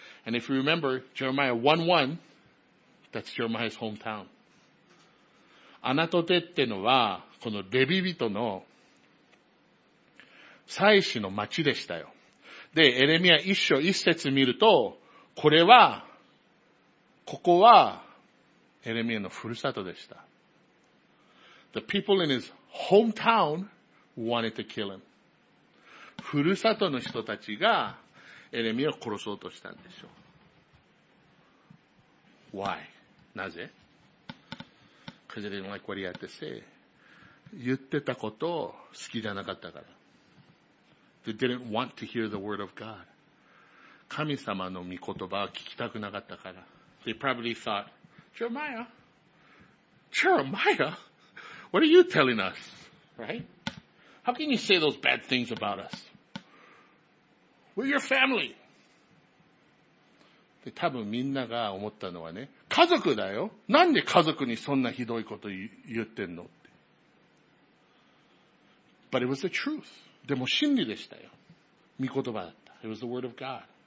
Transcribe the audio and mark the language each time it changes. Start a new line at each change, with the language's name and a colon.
English: And if you remember, Jeremiah 1:1, that's Jeremiah's hometown.
Japanese: アナトテってのは、このレビ人の祭司の町でしたよ。で、エレミア一章一節見ると、これは、ここは、エレミアのふるさとでした。
English: The people in his hometown wanted to kill him.
Japanese: ふるさとの人たちがエレミアを殺そうとしたんでしょう。
English: Why?
Japanese: なぜ?
English: Because they didn't like what he had to say.
Japanese: 言ってたことを好きじゃなかったから。
English: They didn't want to hear the word of God.
Japanese: 神様の御言葉を聞きたくなかったから。
English: They probably thought, Jeremiah, Jeremiah, what are you telling us? Right? How can you say those bad things about us? We're your family.
Japanese: で多分みんなが思ったのはね、家族だよ。なんで家族にそんなひどいこと言ってんのって。
English: But it was the truth.
Japanese: でも真理でしたよ。御言葉だった。
English: It was the word of God.